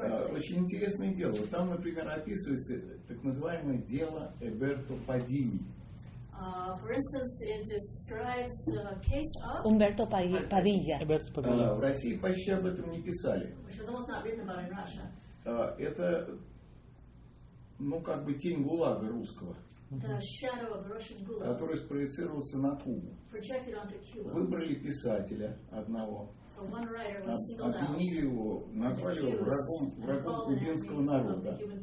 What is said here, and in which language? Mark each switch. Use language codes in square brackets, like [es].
[ru] Очень интересное дело. Там, например, описывается так называемое дело Эберто Падини. [en] For instance, it describes the case of Umberto Padilla. [ru] В России почти об этом не писали. [en] Which was almost not written about in Russia. [ru] Это, ну, как бы тень ГУЛАГа русского, который спроецировался на Кубу. Выбрали писателя одного, обвинили его, назвали его врагом кубинского народа.